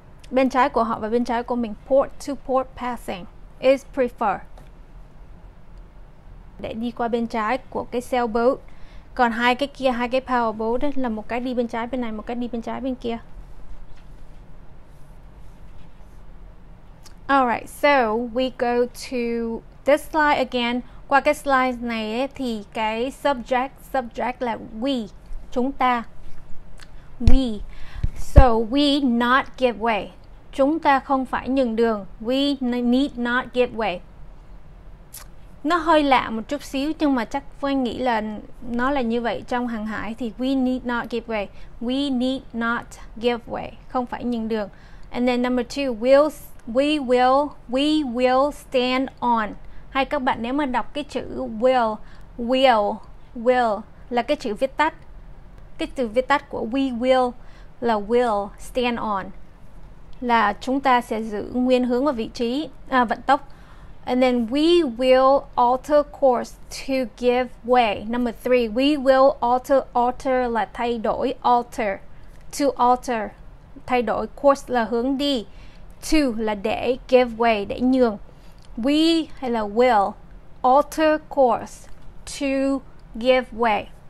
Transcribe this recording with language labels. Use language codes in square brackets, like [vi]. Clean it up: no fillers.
[vi] Bên trái của họ và bên trái của mình, [en] port to port passing is prefer, [vi] để đi qua bên trái của cái sailboat. Còn hai cái kia, hai cái powerboat ấy, là một cái đi bên trái bên này, một cái đi bên trái bên kia. [en] Alright, so we go to this slide again. [vi] Qua cái slide này ấy, thì cái subject là we, chúng ta. [en] We, so we not give way, [vi] chúng ta không phải nhường đường. [en] We need not give way. [vi] Nó hơi lạ một chút xíu, nhưng mà chắc Phương nghĩ là nó là như vậy trong hàng hải. [en] Thì we need not give way. We need not give way. [vi] Không phải nhường đường. [en] And then number two, we will stand on. [vi] Hay các bạn nếu mà đọc cái chữ will là cái chữ viết tắt. Cái chữ viết tắt của we will là [en] will stand on, [vi] là chúng ta sẽ giữ nguyên hướng và vị trí, vận tốc. [en] And then we will alter course to give way. Number three, we will alter [vi] là thay đổi, alter, to alter, thay đổi, course là hướng đi, to là để, [en] give way, [vi] để nhường. [en] We [vi] hay là [en] will alter course to give way.